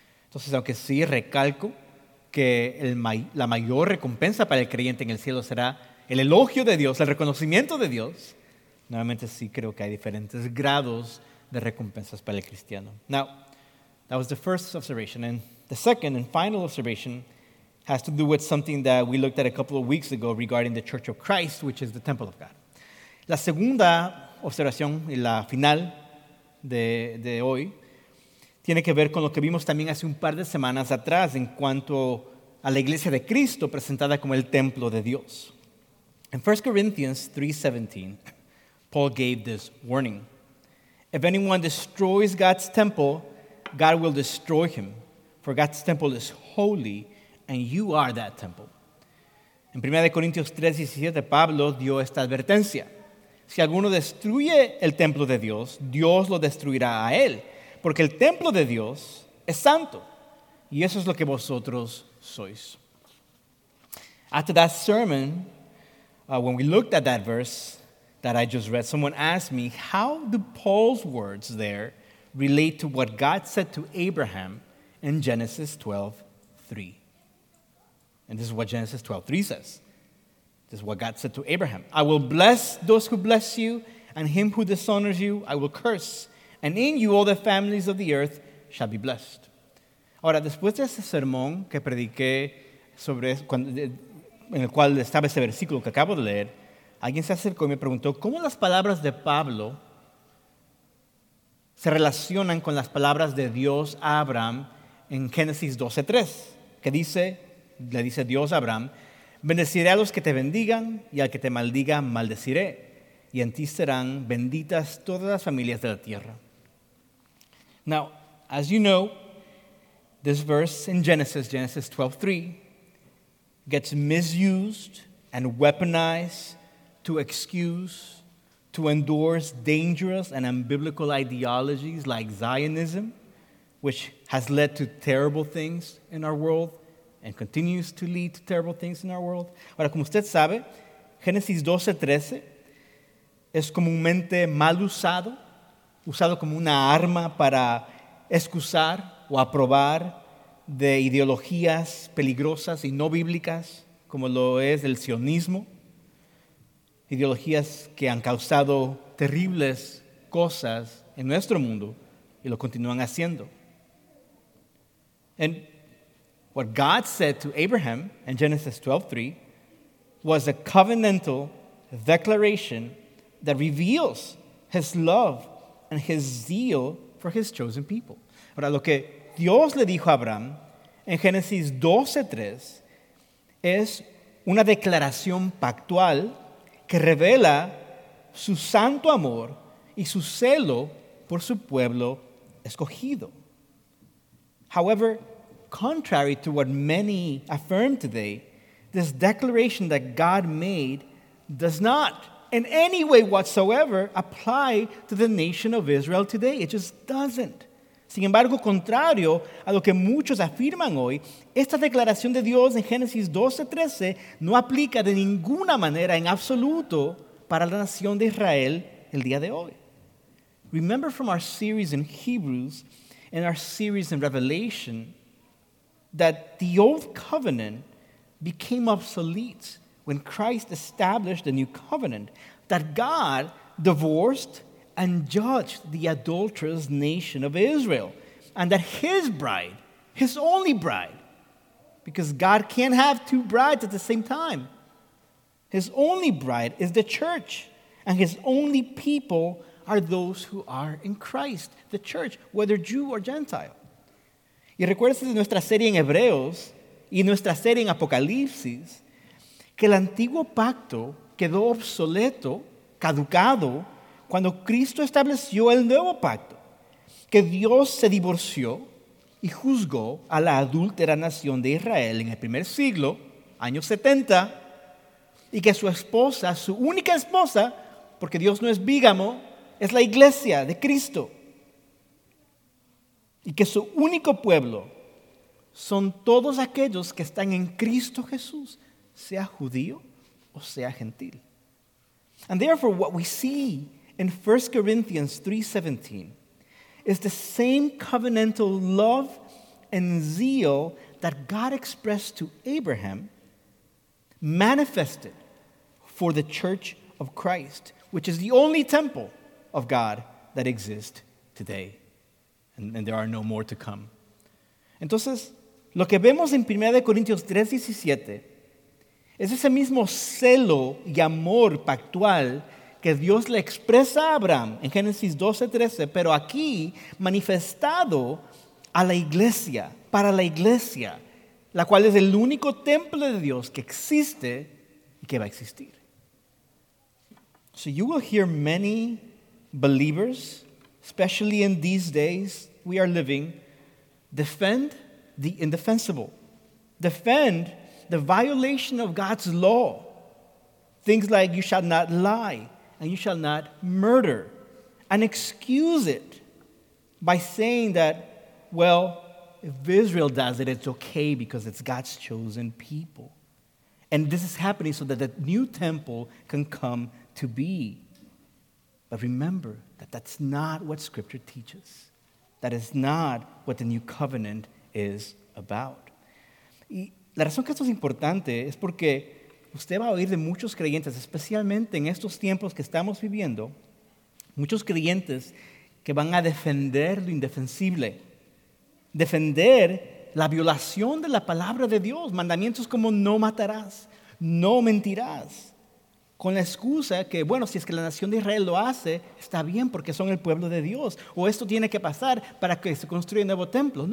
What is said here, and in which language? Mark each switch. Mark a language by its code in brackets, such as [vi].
[es] Entonces, aunque sí recalco que la mayor recompensa para el creyente en el cielo será el elogio de Dios, el reconocimiento de Dios, nuevamente sí creo que hay diferentes grados de recompensas para el cristiano. [en] Now, that was the first observation. And the second and final observation has to do with something that we looked at a couple of weeks ago regarding the Church of Christ, which is the temple of God. [es] La segunda observación y la final de hoy tiene que ver con lo que vimos también hace un par de semanas atrás en cuanto a la iglesia de Cristo presentada como el templo de Dios. [en] In 1 Corinthians 3:17, Paul gave this warning. If anyone destroys God's temple, God will destroy him, for God's temple is holy, and you are that temple. [es] En 1 Corintios 3:17, Pablo dio esta advertencia. Si alguno destruye el templo de Dios, Dios lo destruirá a él, porque el templo de Dios es santo, y eso es lo que vosotros sois. [en] After that sermon, when we looked at that verse that I just read, someone asked me, how do Paul's words there relate to what God said to Abraham in Genesis 12:3? And this is what Genesis 12:3 says. This is what God said to Abraham. I will bless those who bless you, and him who dishonors you, I will curse. And in you all the families of the earth shall be blessed. [es] Ahora, después de ese sermón que prediqué sobre en el cual estaba ese versículo que acabo de leer, alguien se acercó y me preguntó, ¿cómo las palabras de Pablo se relacionan con las palabras de Dios a Abraham en Génesis 12:3? Que dice, le dice Dios a Abraham, bendeciré a los que te bendigan y al que te maldiga maldeciré, y en ti serán benditas todas las familias de la tierra. [en] Now, as you know, this verse in Genesis 12:3, gets misused and weaponized to excuse, to endorse dangerous and unbiblical ideologies like Zionism, which has led to terrible things in our world and continues to lead to terrible things in our world. [es] Ahora, como usted sabe, Génesis 12:13 es comúnmente mal usado, usado como una arma para excusar o aprobar de ideologías peligrosas y no bíblicas, como lo es el sionismo, ideologías que han causado terribles cosas en nuestro mundo y lo continúan haciendo. [en] And what God said to Abraham in Genesis 12:3 was a covenantal declaration that reveals his love and his zeal for his chosen people. [es] Ahora, lo que Dios le dijo a Abraham en Génesis 12:3 es una declaración pactual que revela su santo amor y su celo por su pueblo escogido. [en] However, contrary to what many affirm today, this declaration that God made does not in any way whatsoever apply to the nation of Israel today. It just doesn't. [es] Sin embargo, contrario a lo que muchos afirman hoy, esta declaración de Dios en Génesis 12:13 no aplica de ninguna manera en absoluto para la nación de Israel el día de hoy. [en] Remember from our series in Hebrews and our series in Revelation that the old covenant became obsolete when Christ established the new covenant, that God divorced and judged the adulterous nation of Israel, and that his bride, his only bride, because God can't have two brides at the same time, his only bride is the church, and his only people are those who are in Christ, the church, whether Jew or Gentile. [es] Y recuérdese de nuestra serie en Hebreos y nuestra serie en Apocalipsis, que el antiguo pacto quedó obsoleto, caducado, cuando Cristo estableció el nuevo pacto, que Dios se divorció y juzgó a la adúltera nación de Israel en el primer siglo, año 70, y que su esposa, su única esposa, porque Dios no es bígamo, es la iglesia de Cristo. Y que su único pueblo son todos aquellos que están en Cristo Jesús, sea judío o sea gentil. [en] And therefore, what we see in 1 Corinthians 3:17 is the same covenantal love and zeal that God expressed to Abraham manifested for the church of Christ, which is the only temple of God that exists today. And there are no more to come. [es] Entonces, lo que vemos en 1 Corintios 3:17 es ese mismo celo y amor pactual que Dios le expresa a Abraham en Génesis 12:13, pero aquí manifestado a la iglesia, para la iglesia, la cual es el único templo de Dios que existe y que va a existir. [en] So you will hear many believers, especially in these days we are living, defend the indefensible, defend the violation of God's law. Things like you shall not lie and you shall not murder, and excuse it by saying that, well, if Israel does it, it's okay because it's God's chosen people. And this is happening so that the new temple can come to be. But remember that that's not what Scripture teaches. That is not what the new covenant is about. [es] Y la razón que esto es importante es porque usted va a oír de muchos creyentes, especialmente en estos tiempos que estamos viviendo, muchos creyentes que van a defender lo indefensible, defender la violación de la palabra de Dios, mandamientos como no matarás, no mentirás, con la excusa que, bueno, si es que la nación de Israel lo hace, está bien porque son el pueblo de Dios, o esto tiene que pasar para que se construya un nuevo templo.